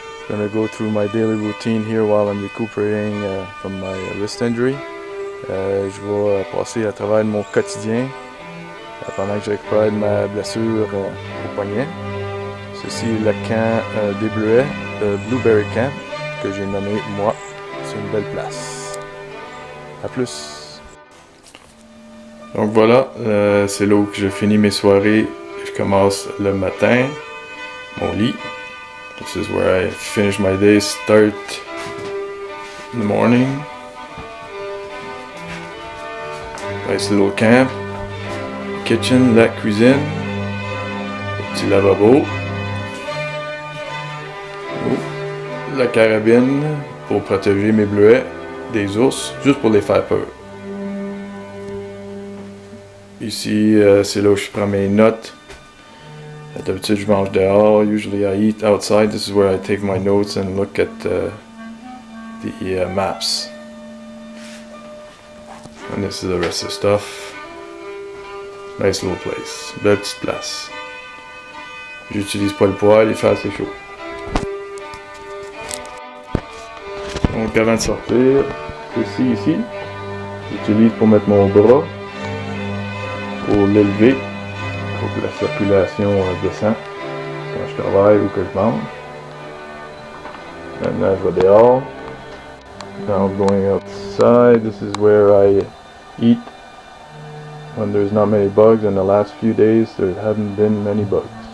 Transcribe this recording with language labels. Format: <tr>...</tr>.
<en>I'm gonna go through my daily routine here while I'm recuperating from my wrist injury.</en> <fr>Je vais passer à travers mon quotidien pendant que je récupère ma blessure au poignet. Ceci est le camp des bleuets, le Blueberry Camp, que j'ai nommé moi. C'est une belle place. À plus! Donc voilà, c'est là où je finis mes soirées. Je commence le matin, mon lit.</fr> <en>This is where I finish my day, start in the morning. Nice little camp. Kitchen,</en> <fr>la cuisine. Petit lavabo. La carabine pour protéger mes bleuets des ours, juste pour les faire peur. Ici, c'est là où je prends mes notes. D'habitude, je mange dehors.</fr> <en>Usually, I eat outside. This is where I take my notes and look at the maps. And this is the rest of the stuff. Nice little place.</en> <fr>Belle petite place. J'utilise pas le poêle, il fait assez chaud. Donc avant de sortir, ceci ici, j'utilise pour mettre mon bras, pour l'élever, pour que la circulation descende quand je travaille ou que je mange. Maintenant je vais dehors.</fr> <en>Now I'm going outside, this is where I eat when there's not many bugs. In the last few days, there haven't been many bugs.</en>